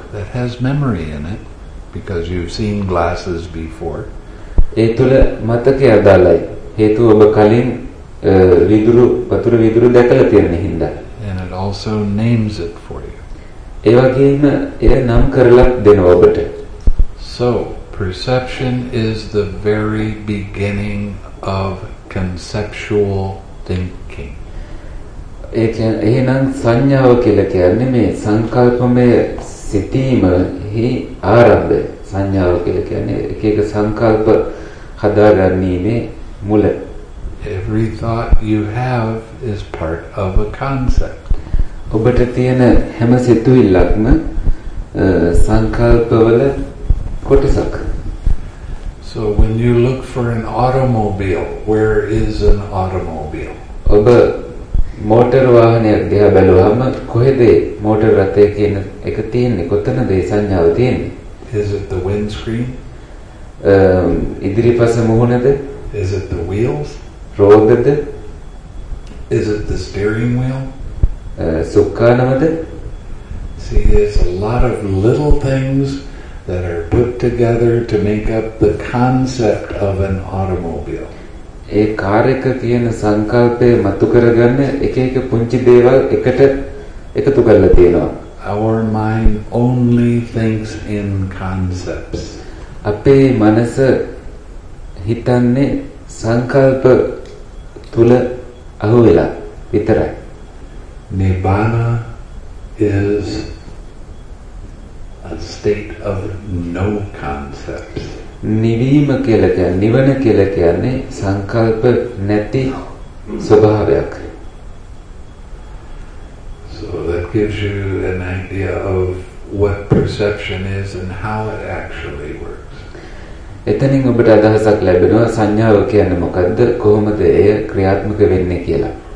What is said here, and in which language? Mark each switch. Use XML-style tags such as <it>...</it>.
<en>That has memory in it because you've seen glasses before.</en> <si>ඒ තුළ මතකය අදාළයි. හේතුව ඔබ කලින් වීදුරු වතුර වීදුරු දැකලා තියෙන හින්දා.</si> <en>And it also names it for you.</en> <si>ඒ වගේම එය නම් කරලා දෙනවා ඔබට.</si> <en>So, perception is the very beginning of conceptual thinking.</en> <si>එහෙනම් සංඥාව කියලා කියන්නේ මේ සංකල්පමය සිටීමෙහි ආරම්භය. සංඥාව කියලා කියන්නේ එක එක සංකල්ප හදාගැනීමේ මුල.</si> <en>Every thought you have is part of a concept.</en> <si>ඔබට තියෙන හැම සිතුවිල්ලක්ම සංකල්පවල කොටසක්.</si> <en>So when you look for an automobile, where is an automobile?</en> <si>ඔබ මෝටර් වාහනයක් දිහා බලුවම කොහෙද මෝටර් රථය කියන එක තියෙන්නේ? කොතනද ඒ සංඥාව තියෙන්නේ?</si> <en>Is it the windscreen?</en> <si>ඉදිරිපස මුහුණද?</si> <en>Is it the wheels?</en> <si>රෝදද?</si> <en>Is it the steering wheel?</en> <si>සුක්කානමද?</si> <en>See, there's a lot of little things that are put together to make up the concept of an automobile.</en> <si>A car එක කියන සංකල්පය මතු කරගන්න එක එක පුංචි දේවල් එකට එකතු කරලා තියෙනවා.</si> <en>Our mind only thinks in concepts.</en> <si>අපේ මනස හිතන්නේ සංකල්ප තුල අහුවෙලා විතරයි.</si> <en>Nibbana is a state of no concepts.</en> <si>නිවීම කියලා කියන්නේ නිවන කියලා කියන්නේ සංකල්ප නැති ස්වභාවයක්.</si> <en>So that gives you an idea of what perception is and how it actually works.</en> <si>එතනින් ඔබට අදහසක් ලැබෙනවා සංඥාව කියන්නේ මොකද්ද කොහොමද එය ක්‍රියාත්මක වෙන්නේ කියලා.</si>